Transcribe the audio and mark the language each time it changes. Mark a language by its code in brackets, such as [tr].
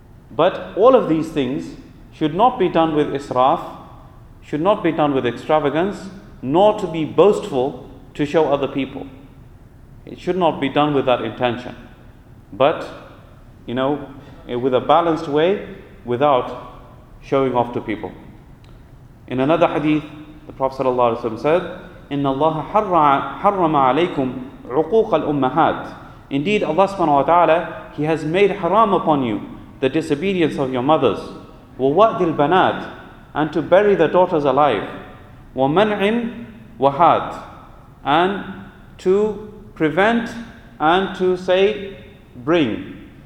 [en] But all of these things should not be done with israf, should not be done with extravagance, nor to be boastful to show other people. It should not be done with that intention. But, you know, with a balanced way, without showing off to people. In another hadith, the Prophet ﷺ said, [ar] إِنَّ اللَّهَ حَرَّمَ عَلَيْكُمْ عُقُوقَ الْأُمَّهَاتِ. [en] Indeed, Allah subhanahu wa ta'ala, He has made haram upon you the disobedience of your mothers. [ar] وَوَأْدِ الْبَنَاتِ, [en] and to bury the daughters alive. [ar] وَمَنْعٍ وَحَادِ, [en] and to prevent and to say, bring.